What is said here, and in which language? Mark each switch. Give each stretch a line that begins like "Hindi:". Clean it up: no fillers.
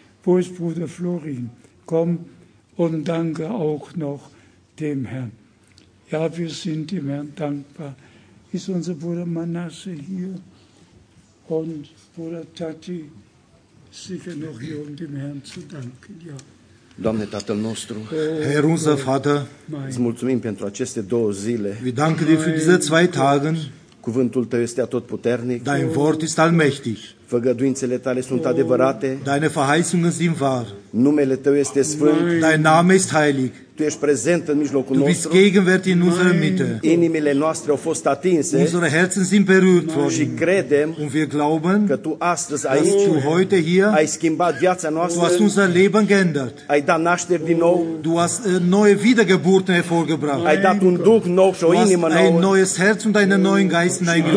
German: Wo ist Bruder Florin? Komm und danke auch noch dem Herrn. Ja, wir sind dem Herrn dankbar. Ist unser Bruder Manasse hier und Bruder Tati sicher noch hier, um dem Herrn zu danken. Ja.
Romanian: Doamne, Tatăl nostru,
German: Herr, unser Vater,
Romanian: îți mulțumim pentru aceste două zile.
German: Wir danken dir für diese zwei Tage.
Romanian: Cuvântul Tău este atotputernic.
German: Dein Wort ist allmächtig.
Romanian: Făgăduințele Tale sunt adevărate.
German: Deine Verheißungen sind wahr.
Romanian: Numele Tău este sfânt.
German: Dein Name ist heilig.
Romanian: Tu ești prezent în mijlocul nostru.
German: Du bist gegenwärtig in unserer Mitte.
Romanian: Inimile noastre au fost atinse.
German: Unsere Herzen sind berührt worden.
Romanian: Și credem.
German: Und wir glauben.
Romanian: Că Tu astăzi aici.
German: Dass du heute hier.
Romanian: Ai schimbat viața noastră.
German: Du hast unser Leben geändert.
Romanian: Ai dat naștere din nou.
German: Du hast neue Wiedergeburt hervorgebracht.
Romanian: Ai dat un duh nou și o inimă nouă.
German: Du hast ein neues Herz und einen neuen Geist hineingelegt.